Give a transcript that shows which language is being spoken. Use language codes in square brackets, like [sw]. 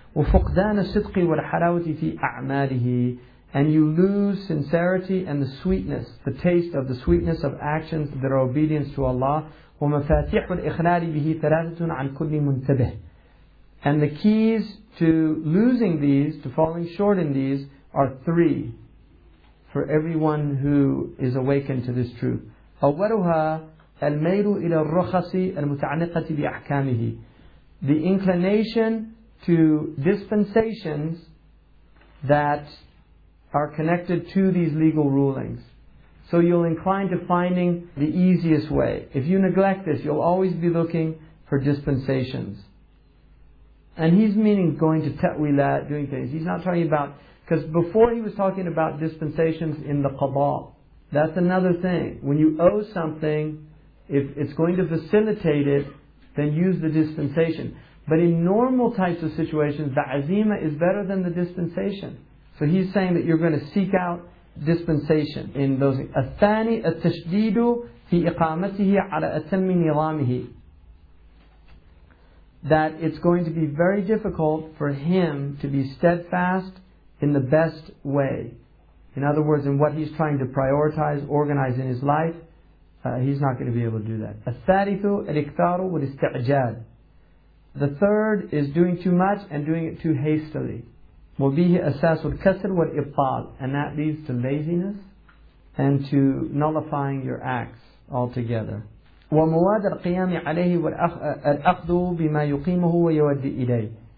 [ar] وَفُقْدَانَ الصِّدْقِ وَالْحَلَاوَةِ فِي أَعْمَالِهِ, [en] and you lose sincerity and the sweetness, the taste of the sweetness of actions that are obedience to Allah. [ar] وَمَفَاتِحُ الْإِخْلَالِ بِهِ ثَلَاثَةٌ عَنْ كُلِّ مُنْتَبِهِ, [en] and the keys to losing these, to falling short in these, are three. For everyone who is awakened to this truth. [ar] أولها الميل إلى الرخص المتعلقة بأحكامه. [en] The inclination to dispensations that are connected to these legal rulings. So you'll incline to finding the easiest way. If you neglect this, you'll always be looking for dispensations. And he's meaning going to ta'wilat, doing things. He's not talking about, because before he was talking about dispensations in the qadha. That's another thing. When you owe something, if it's going to facilitate it, then use the dispensation. But in normal types of situations, the azima is better than the dispensation. So he's saying that you're going to seek out dispensation in those. [ar] الثاني التشديد في إقامته على أتم نظامه. [en] That it's going to be very difficult for him to be steadfast in the best way. In other words, in what he's trying to prioritize, organize in his life, he's not going to be able to do that. [ar] الثالثُ الإكثارُ والاستعجال. [en] The third is doing too much and doing it too hastily. [ar] وَبِهِ أَسَاسُ الْكَسْرُ وَالْإِبْطَالُ. [en] And that leads to laziness and to nullifying your acts altogether. [ar] وَمُوَادَ الْقِيَامِ عَلَيْهِ وَالْأَخْذُ بِمَا يُقِيمُهُ وَيَوَدِّ إِلَيْهِ.